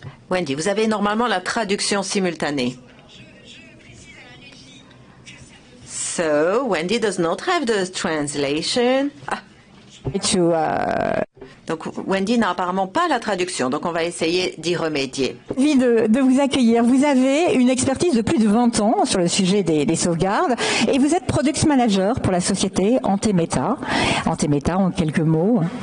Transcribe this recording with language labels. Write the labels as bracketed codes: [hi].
[fr] Wendy, vous avez normalement la traduction simultanée. [en] So, Wendy does not have the translation. [fr] Donc, Wendy n'a apparemment pas la traduction, donc on va essayer d'y remédier. Ravie de vous accueillir. Vous avez une expertise de plus de 20 ans sur le sujet des sauvegardes et vous êtes Product Manager pour la société Antemeta. Antemeta, en quelques mots.